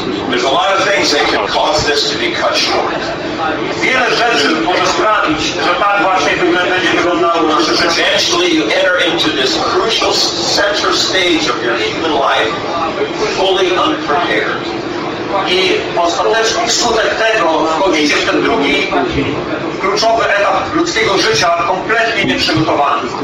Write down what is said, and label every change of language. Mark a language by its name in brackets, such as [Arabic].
[English] There's a lot of things that can cause this to be cut short. [Polish] Wiele rzeczy może sprawić, że tak właśnie będzie wyglądało nasze życie. [English] Eventually you enter into this crucial center stage of your human life fully unprepared. [Polish] I ostateczny wskutek tego wchodzicie w ten drugi kluczowy etap ludzkiego życia kompletnie nieprzygotowany.